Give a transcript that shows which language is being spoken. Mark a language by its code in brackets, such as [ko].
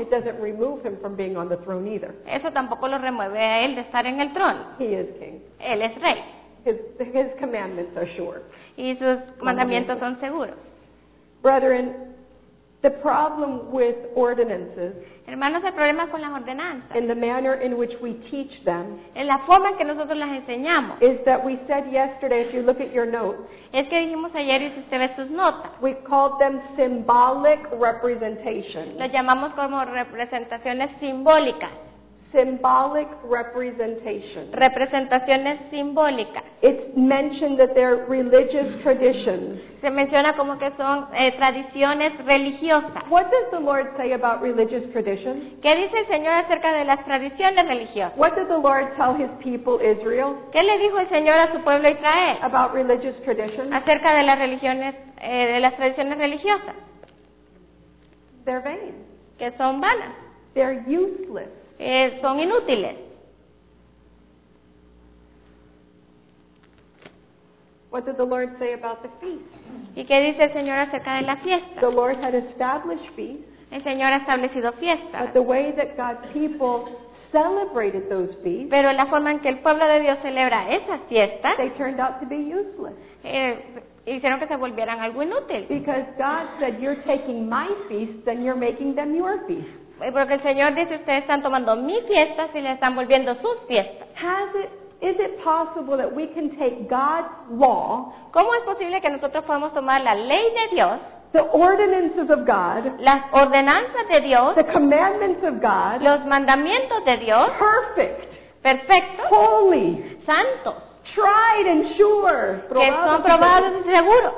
[en] it doesn't remove him from being on the throne either. [es] Eso tampoco lo remueve a él de estar en el trono. [en] He is king. [es] Él es rey. [en] His commandments are sure. [es] Y sus mandamientos son seguros. [en] Brethren, the problem with ordinances, [es] hermanos, el problema con las ordenanzas, [en] in the manner in which we teach them, [es] en la forma en que nosotros las enseñamos, [en] is that we said yesterday, if you look at your notes, [es] es que dijimos ayer y si usted ve sus notas, [en] we called them symbolic representations. [es] Los llamamos como representaciones simbólicas. [en] Symbolic representation. [es] Representaciones simbólicas. [en] It's mentioned that they're religious traditions. [es] Se menciona como que son tradiciones religiosas. [en] What does the Lord say about religious traditions? [es] ¿Qué dice el Señor acerca de las tradiciones religiosas? [en] What did the Lord tell his people Israel? [es] ¿Qué le dijo el Señor a su pueblo Israel? [en] About religious traditions. [es] Acerca de las religiones, de las tradiciones religiosas. [en] They're vain. [es] Que son vanas. [en] They're useless. [es] Son inútiles. [en] What did the Lord say about the feast? [es] ¿Y qué dice el Señor acerca de la fiesta? [en] The Lord had established feasts. [es] El Señor ha establecido fiestas. [en] But the way that God's people celebrated those feasts. [es] Pero la forma en que el pueblo de Dios celebra esas fiestas. [en] They turned out to be useless. [es] Hicieron que se volvieran algo inútil. [en] Because God said, "You're taking my feasts, then you're making them your feasts." [es] Porque el Señor dice, ustedes están tomando mis fiestas y le están volviendo sus fiestas. [en] Is it possible that we can take God's law? [es] ¿Cómo es posible que nosotros podamos tomar la ley de Dios? [en] The ordinances of God. [es] Las ordenanzas de Dios. [en] The commandments of God. [es] Los mandamientos de Dios. [en] Perfect. [es] Perfecto. [en] Holy. [es] Santos. [en] Tried and sure. [es] Que son probados y seguros.